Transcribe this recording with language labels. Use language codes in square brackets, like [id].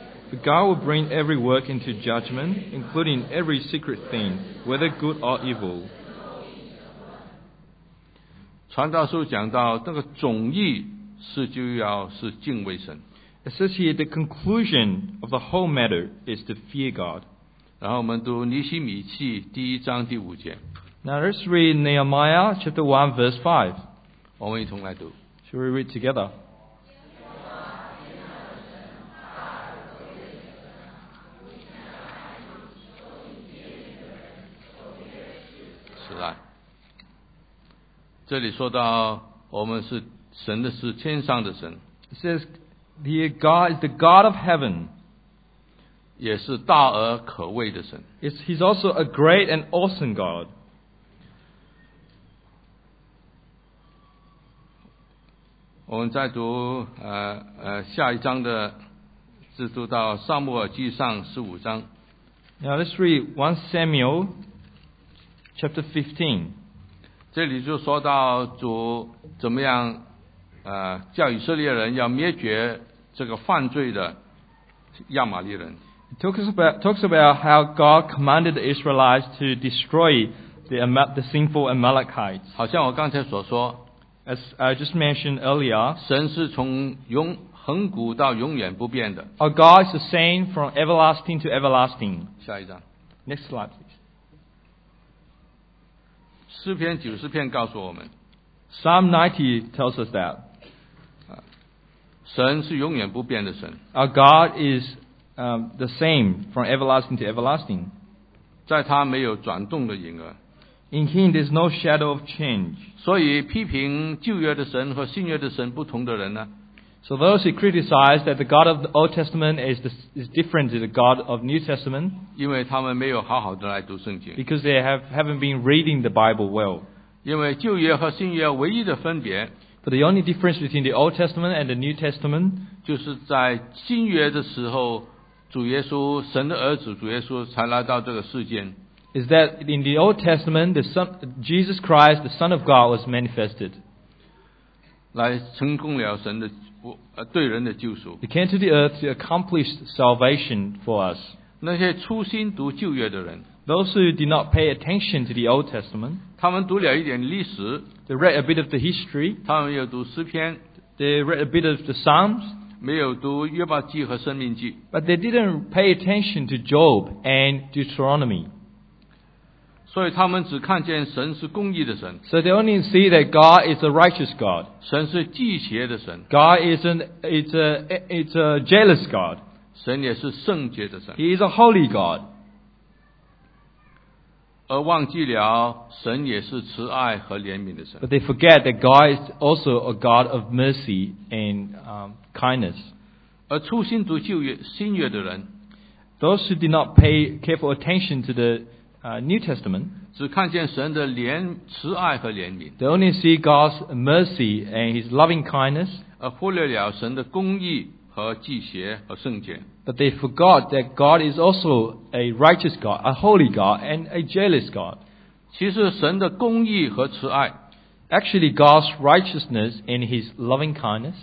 [en] The God will bring every work into judgment, including every secret thing, whether good or evil. [zh] 传道书讲到那个总意是就要是敬畏神。 [en] It says here the conclusion of the whole matter is to fear God. [zh] 然后我们读尼希米记第一章第五节。 [en] Now let's read Nehemiah chapter 1 verse 5. [zh] 我们一同来读。 [en] Shall we read together? [zh] 是的。这里说到我们是神的是天上的神。 [en] It says,Here God is the God of heaven. [zh] 也是大而可畏的神。 [en] He's also a great and awesome God. [zh] 我们再读下一章的，是读到撒母耳记上十五章。 [en] Now let's read 1 Samuel chapter 15. [zh] 这里就说到主怎么样叫以色列人要灭绝。这个犯罪的亚玛利人。 [en] It talks about how God commanded the Israelites to destroy the sinful Amalekites. [zh] 好像我刚才所说 [en] ，as I just mentioned earlier， [zh] 神是从恒古到永远不变的。 [en] Our God is the same from everlasting to everlasting. [zh] 下一张 [en] ，next slide please。 [zh] 诗篇九十篇告诉我们 [en] ，Psalm 90 tells us that。 [zh] 神是永远不变的神。 [en] Our God is the same from everlasting to everlasting. [zh] 在他没有转动的影儿。 [en] In him there's no shadow of change. [zh] 所以批评旧约的神和新约的神不同的人呢？ [en] So those who criticize that the God of the Old Testament is different to the God of New Testament, [zh] 因为他们没有好好地来读圣经。 [en] Because they haven't been reading the Bible well. [zh] 因为旧约和新约唯一的分别, [en] For the only difference between the Old Testament and the New Testament, [zh] 就是在新约的时候, 主耶稣, 神的儿子主耶稣才来到这个世间。 [en] Is that in the Old Testament, the Son, Jesus Christ, the Son of God, was manifested. [zh] 来成功了神的对人的救赎。 [en] He came to the earth to accomplish salvation for us. [zh] 那些粗心读旧约的人。 [en] Those who did not pay attention to the Old Testament. [zh] 他们读了一点历史。 [en] They read a bit of the history. [zh] 他们有读诗篇。 [en] They read a bit of the Psalms. [zh] 没有读约伯记和申命记。 [en] But they didn't pay attention to Job and Deuteronomy. [zh] 所以他们只看见神是公义的神。 [en] So they only see that God is a righteous God. [zh] 神是忌邪的神。 [en] God is a jealous God. [zh] 神也是圣洁的神。 [en] He is a holy God. [zh] 而忘记了神也是慈爱和怜悯的神。 [en] But they forget that God is also a God of mercy and kindness. [zh] 而粗心读旧约、新约的人。 [en] Those who did not pay careful attention to the New Testament, [zh] 只看见神的怜慈爱和怜悯。 [en] They only see God's mercy and His loving kindness, [zh] 而忽略了神的公义和祭邪和圣洁。 [en] But they forgot that God is also a righteous God, a holy God, and a jealous God. [zh] 其实神的公义和慈爱 [en] actually God's righteousness and His loving kindness,